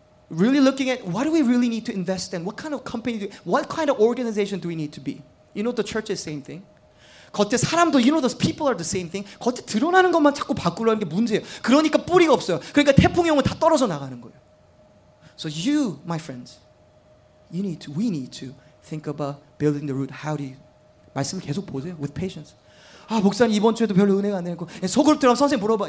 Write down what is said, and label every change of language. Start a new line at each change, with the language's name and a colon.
English: Really looking at what do we really need to invest in? What kind of company, what kind of organization do we need to be? You know, the church is the same thing.
Korean: 겉에 사람도,
English: you know, those people are the same thing.
Korean: 겉에 드러나는 것만 자꾸 바꾸려는 게 문제예요. 그러니까 뿌리가 없어요. 그러니까 태풍이 오면 다 떨어져 나가는 거예요.
English: So you, my friends, we need to think about building the root. How do you?
Korean: 말씀을 계속 보세요.
English: With patience.
Korean: 아, 목사님 이번 주에도 별로 은혜가 안 되고 소그룹 들어가 선생님 물어봐.